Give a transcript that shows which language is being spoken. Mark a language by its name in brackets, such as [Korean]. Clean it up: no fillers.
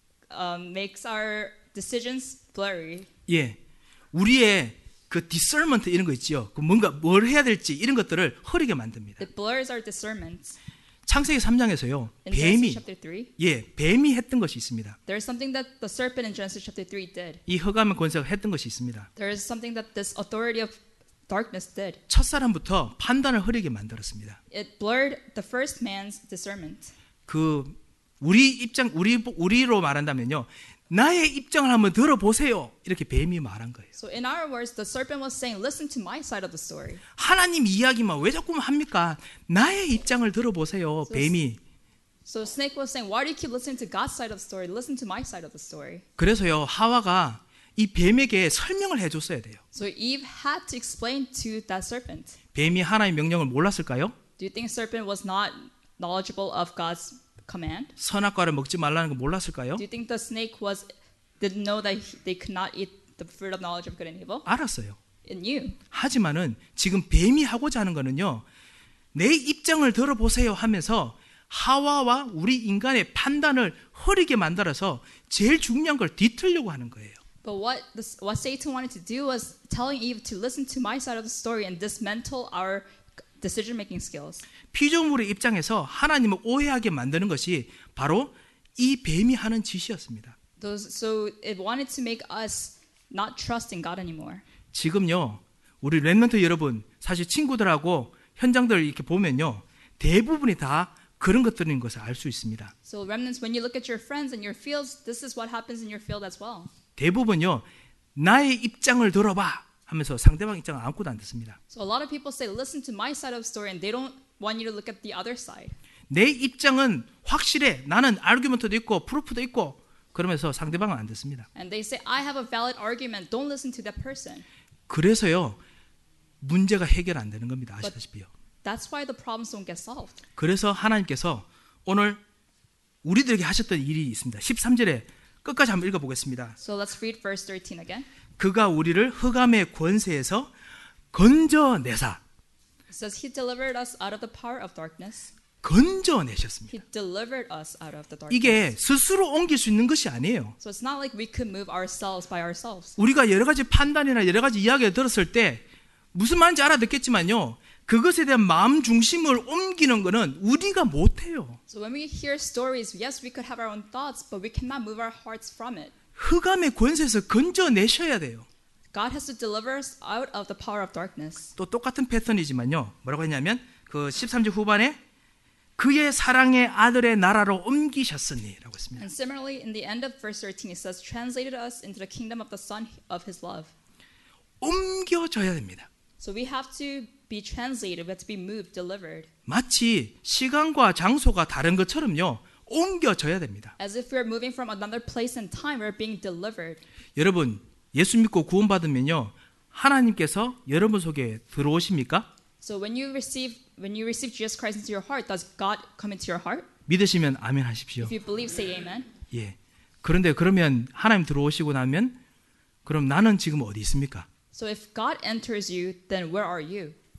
[English] It makes our decisions blurry. [Korean] 예, 우리의 그 discernment 이런 거 있죠. 그 뭔가 뭘 해야 될지 이런 것들을 흐리게 만듭니다. [English] It blurs our discernments. [Korean] 창세기 3장에서요. [English] In [Korean] 뱀이 [English] chapter 3, [Korean] 예, 뱀이 했던 것이 있습니다. [English] There is something that the serpent in Genesis chapter 3 did. [Korean] 이 흑암의 권세가 했던 것이 있습니다. [English] There is something that this authority of darkness did. [Korean] 첫 사람부터 판단을 흐리게 만들었습니다. [English] It blurred the first man's discernment. [Korean] 그 우리 입장 우리로 말한다면요. 나의 입장을 한번 들어보세요. 이렇게 뱀이 말한 거예요. [English] So in our words, the serpent was saying, "Listen to my side of the story." [Korean] 하나님 이야기만 왜 자꾸만 합니까? 나의 입장을 들어보세요, 뱀이. [English] So snake was saying, "Why do you keep listening to God's side of the story? Listen to my side of the story." [Korean] 그래서요, 하와가 이 뱀에게 설명을 해줬어야 돼요. [English] So Eve had to explain to that serpent. [Korean] 뱀이 하나님의 명령을 몰랐을까요? [English] Do you think serpent was not knowledgeable of God's? Command? [Korean] 선악과를 먹지 말라는 거 몰랐을까요? [English] Do you think the snake was didn't know that they could not eat the fruit of knowledge of good and evil? [Korean] 알았어요. [English] It knew. [Korean] 하지만은 지금 뱀이 하고자 하는 거는요. 내 입장을 들어보세요 하면서 하와와 우리 인간의 판단을 흐리게 만들어서 제일 중요한 걸 뒤틀려고 하는 거예요. [English] But what Satan wanted to do was telling Eve to listen to my side of the story and dismantle our decision-making skills. [Korean] 피조물의 입장에서 하나님을 오해하게 만드는 것이 바로 이 뱀이 하는 짓이었습니다. [English] So it wanted to make us not trust in God anymore. [Korean] 지금요, 우리 렘넌트 여러분, 사실 친구들하고 현장들 이렇게 보면요, 대부분이 다 그런 것들인 것을 알 수 있습니다. [English] So remnants, when you look at your friends and your fields, this is what happens in your field as well. [Korean] 대부분요, 나의 입장을 들어봐 하면서 상대방 입장을 아무것도 안 듣습니다. [English] So a lot of people say, listen to my side of the story, and they don't. Want you to look at the other side. [Korean] 내 입장은 확실해. 나는 아르기먼트도 있고 프루프도 있고 그러면서 상대방은 안 듣습니다. [English] And they say I have a valid argument. Don't listen to that person. [Korean] 그래서요. 문제가 해결 안 되는 겁니다. 아시다시피요. [English] But that's why the problems don't get solved. [Korean] 그래서 하나님께서 오늘 우리들에게 하셨던 일이 있습니다. 13절에 끝까지 한번 읽어 보겠습니다. [English] So let's read verse 13 again. [Korean] 그가 우리를 흑암의 권세에서 건져내사 [English] says he delivered us out of the power of darkness. [Korean] 건져내셨습니다. [English] He delivered us out of the darkness. [Korean] 이게 스스로 옮길 수 있는 것이 아니에요. [English] So it's not like we could move ourselves by ourselves. [Korean] 우리가 여러 가지 판단이나 여러 가지 이야기를 들었을 때 무슨 말인지 알아듣겠지만요. 그것에 대한 마음 중심을 옮기는 것은 우리가 못 해요. [English] So when we hear stories, yes, we could have our own thoughts, but we cannot move our hearts from it. [Korean] 흑암의 권세에서 건져내셔야 돼요. [English] God has to deliver us out of the power of darkness. [Korean] 또 똑같은 패턴이지만요. 뭐라고 했냐면 그 13절 후반에 그의 사랑의 아들의 나라로 옮기셨으니라고 했습니다. [English] And similarly in the end of verse 13 it says translated us into the kingdom of the son of his love. [Korean] 옮겨져야 됩니다. [English] So we have to be translated, we have to be moved, delivered. [Korean] 마치 시간과 장소가 다른 것처럼요. 옮겨져야 됩니다. [English] As if we're moving from another place and time we're being delivered. [Korean] 여러분 예수 믿고 구원 받으면요 하나님께서 여러분 속에 들어오십니까? [English] So when you receive Jesus Christ into your heart, does God come into your heart? [Korean] 믿으시면 아멘 하십시오. [English] If you believe, say amen. [Korean] 예. 그런데 그러면 하나님 들어오시고 나면 그럼 나는 지금 어디 있습니까? [English] So if God enters you, then where are you?